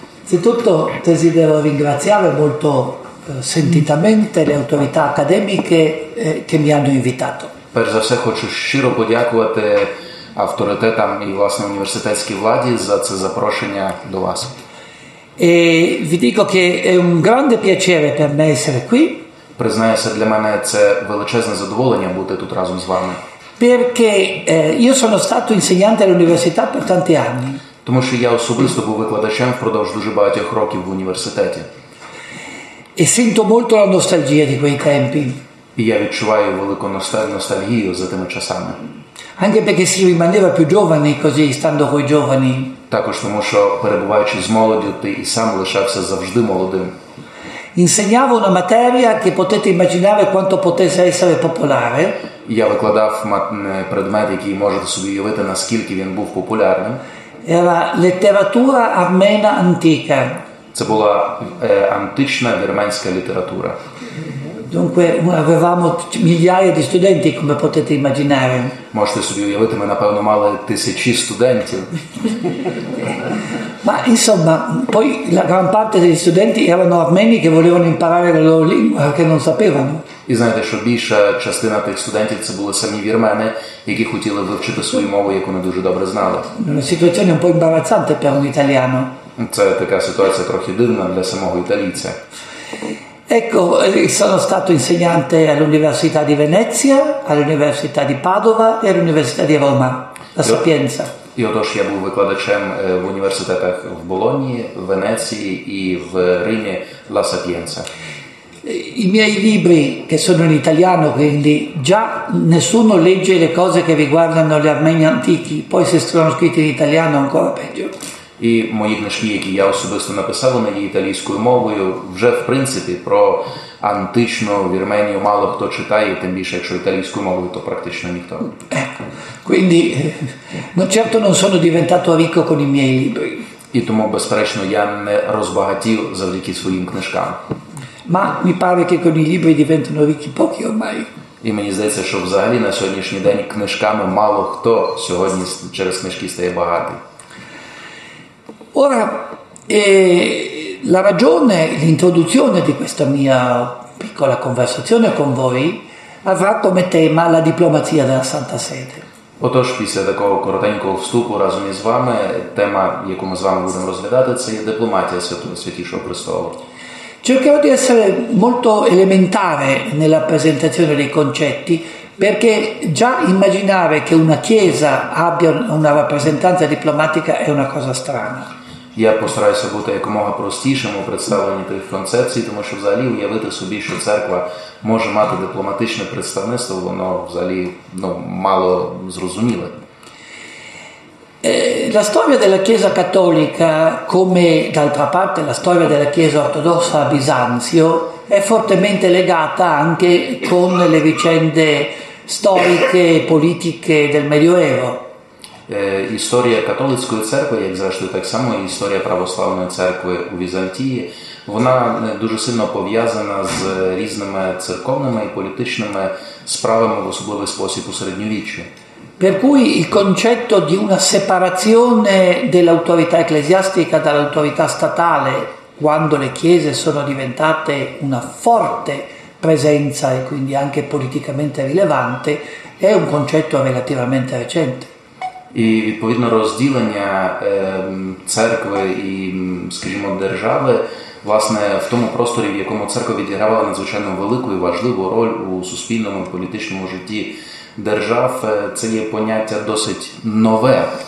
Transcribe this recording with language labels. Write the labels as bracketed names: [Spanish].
[Italian] Innanzitutto desidero ringraziare molto sentitamente le autorità accademiche che mi hanno invitato. [Ukrainian] Перш за все хочу щиро подякувати авторитетам і власне університетській владі за це запрошення до вас. [Italian] E vi dico che è un grande piacere per me essere qui. [Ukrainian] Признаюся, для мене це величезне задоволення бути тут разом з вами. [Italian] Perché io sono stato insegnante all'università per tanti anni. [Ukrainian] Тому що я особисто був викладачем впродовж дуже багатьох років в університеті. [Italian] E sento molto la nostalgia di quei tempi. [Ukrainian] І я відчуваю велику ностальгію за тими часами. [Italian] Anche perché si rimaneva più giovani così, stando coi giovani. [Ukrainian] Також тому, що перебуваючи з молоддю, ти і сам лишався завжди молодим. [Italian] Insegnavo una materia che potete immaginare quanto potesse essere popolare. [Ukrainian] Я викладав предмет, який можете собі уявити, наскільки він був популярним. [Italian] Era letteratura armena antica. [Ukrainian] Це була антична вірменська література. [Italian] Dunque avevamo migliaia di studenti, come potete immaginare. [Ukrainian] Можете собі уявити, ми напевно мали тисячі студентів. [Italian] Ma insomma, poi la gran parte degli studenti erano armeni che volevano imparare la loro lingua, che non sapevano. [Ukrainian] І знаєте, що більша частина тих студентів це були самі вірмени, які хотіли вивчити свою мову, яку не дуже добре знали. [Italian] Una situazione un po' imbarazzante per un italiano. [Ukrainian] Це така ситуація трохи дивна для самого італійця. [Italian] Ecco, sono stato insegnante all'Università di Venezia, all'Università di Padova e all'Università di Roma, la Sapienza. [Ukrainian] І отож я був викладачем в університетах в Болоні, Венеції і в Римі, La Sapienza. [Italian] I miei libri, che sono in italiano, quindi già nessuno legge le cose che riguardano gli armeni antichi, poi se sono scritti in italiano ancora peggio. [Ukrainian] І мої книжки, які я особисто написав, вони італійською мовою, вже, в принципі, про античну Вірменію мало хто читає, тим більше, якщо італійською мовою, то практично ніхто. [Italian] Quindi, ну, certo, non sono diventato ricco con i miei libri. [Ukrainian] І тому, безперечно, я не розбагатів завдяки своїм книжкам. [Italian] Ma mi pare che con i libri diventano ricchi pochi ormai. [Ukrainian] І мені здається, що взагалі на сьогоднішній день книжками мало хто сьогодні через книжки стає багатий. [Italian] Ora, la ragione, l'introduzione di questa mia piccola conversazione con voi avrà come tema la diplomazia della Santa Sede. [Ukrainian] Отож, після такого коротенького вступу разом із вами, тема, яку ми з вами будемо розглядати, це є дипломатія Святого Святішого Престолу. [Italian] Cercherò di essere molto elementare nella presentazione dei concetti, perché già immaginare che una Chiesa abbia una rappresentanza diplomatica è una cosa strana. [Ukrainian] Я постараюся бути якомога простішим у представленні тих концепцій, тому що взагалі уявити собі, що церква може мати дипломатичне представництво, воно взагалі, ну, мало зрозуміле. [Italian] La storia della Chiesa Cattolica, come d'altra parte la storia della Chiesa Ortodossa a Bisanzio, è fortemente legata anche con le vicende storiche e politiche del Medioevo. [Ukrainian] Історія католицької церкви, як зрештою так само і історія православної церкви у Візантії, вона дуже сильно пов'язана з різними церковними і політичними справами в особливий спосіб у середньовіччі. [Italian] Per cui il concetto di una separazione dell'autorità ecclesiastica dall'autorità statale, quando le chiese sono diventate una forte presenza e quindi anche politicamente rilevante, è un concetto relativamente recente. [Ukrainian] І відповідно розділення церкви і, скажімо, держави, власне, в тому просторі, в якому церква відігравала надзвичайно велику і важливу роль у суспільному і політичному житті держав, це є поняття досить нове.